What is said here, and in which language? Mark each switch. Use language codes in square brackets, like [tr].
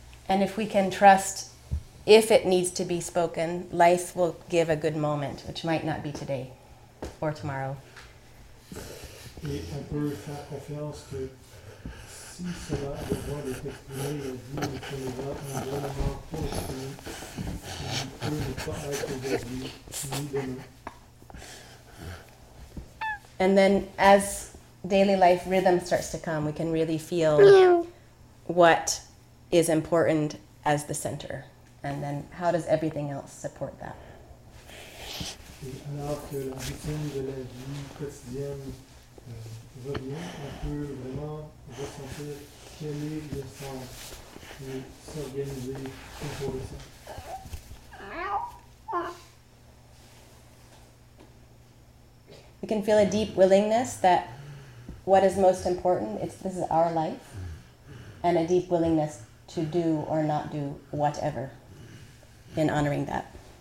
[en] And if we can trust, if it needs to be spoken, life will give a good moment, which might not be today or tomorrow. [fr] Et on peut faire confiance que si cela a besoin d'être exprimé, la vie nous connaîtra un bon moment pour exprimer, ce qui peut ne pas être aujourd'hui ni demain. [en] And then as daily life rhythm starts to come, we can really feel what is important as the center. And then how does everything else support that? [fr] Et alors que la routine de la vie quotidienne revient, on peut vraiment ressentir quel est le sens de s'organiser autour de ça. [en] We can feel a deep willingness that what is most important, this is our life, and a deep willingness to do or not do whatever in honoring that.